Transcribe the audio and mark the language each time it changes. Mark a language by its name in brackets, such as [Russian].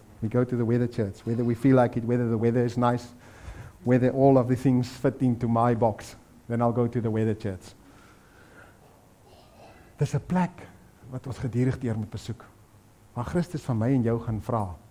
[English] We go to the weather church, whether we feel like it, whether the weather is nice, whether all of the things fit into my box, then I'll go to the weather church. [Afrikaans] Dis 'n plek wat ons gedurig deur moet besoek. Waar Christus van my en jou gaan vra.